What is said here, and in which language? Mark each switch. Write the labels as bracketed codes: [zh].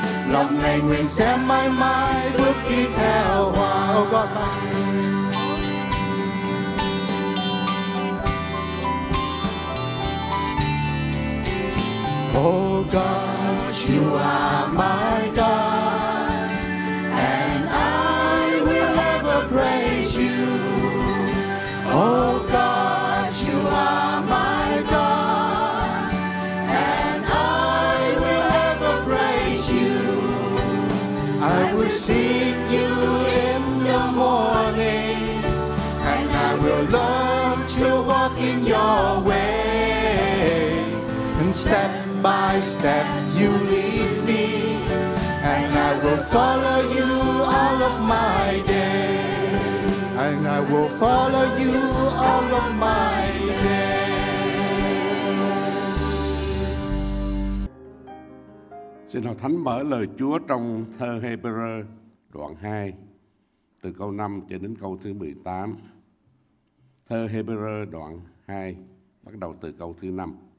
[vi] lòng ngày nguyện sẽ mãi mãi bước đi theo hoa con mắt [en] Oh God, you are my God, and I will ever praise you. Oh God, you are my God, and I will ever praise you. I will seek you in the morning, and I will learn to walk in your ways, and step by step you lead me, and I will follow you all of my days, and I will follow you all of my days. [vi] Xin Hội Thánh mở lời Chúa trong thơ Hebrew đoạn 2, từ câu 5 cho đến câu thứ 18. Thơ Hebrew đoạn 2, bắt đầu từ câu thứ 5.